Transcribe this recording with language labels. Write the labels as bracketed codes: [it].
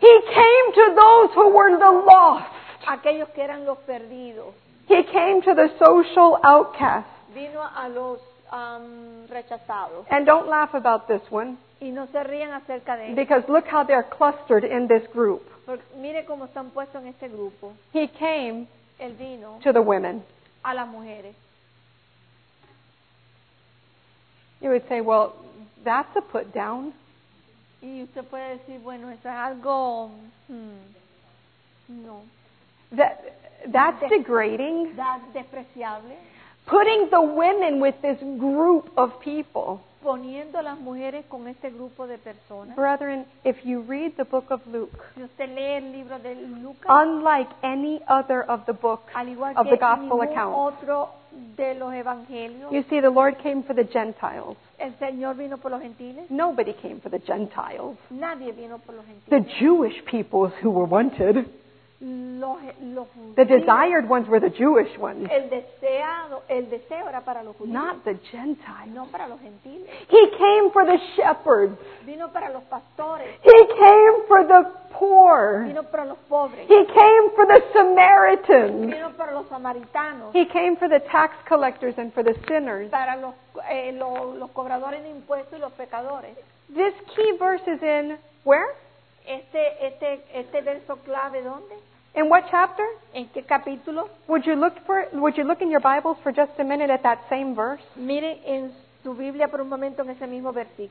[en] He came to those who were the lost. [es] Aquellos que eran los perdidos. [en] He came to the social outcasts. [es] Vino a los rechazados. [en] And don't laugh about this one. [es] Y no se rían acerca de ellos. [en] Because look how they're clustered in this group. [es] Porque mire cómo están puestos en este grupo. [en] He came, [es] el vino, [en] to the women. [es] A las mujeres. [en] You would say, well, that's a put down. [es] Y usted puede decir, bueno, eso es algo, no. [en] That's degrading. That's [es] despreciable. [en] Putting the women with this group of people. [es] Poniendo las mujeres con este grupo de personas. [en] Brethren, if you read the book of Luke, [es] si usted lee el libro de Lucas, [en] unlike any other of the books [es] al igual [en] of the gospel accounts, [es] otro de los evangelios, [en] you see, the Lord came for the Gentiles. [es] El Señor vino por los gentiles. [en] Nobody came for the Gentiles. [es] Nadie vino por los gentiles. [en] The Jewish peoples who were wanted. [es] Los [en] the desired ones were the Jewish ones. [es] El deseo era para los judíos. [en] Not the Gentiles. [es] No para los gentiles. [en] He came for the shepherds. [es] Vino para los pastores. [en] He came for the poor. [es] Vino para los pobres. [en] He came for the Samaritans. [es] Vino para los samaritanos. [en] He came for the tax collectors and for the sinners. [es] Para los cobradores de impuestos y los pecadores. [en] This key verse is in where? [es] Este verso clave, ¿dónde? [en] In what chapter? [es] ¿En qué capítulo? [en] Would you look in your Bibles for just a minute at that same verse? [es] Mire en su Biblia por un momento en ese mismo versículo.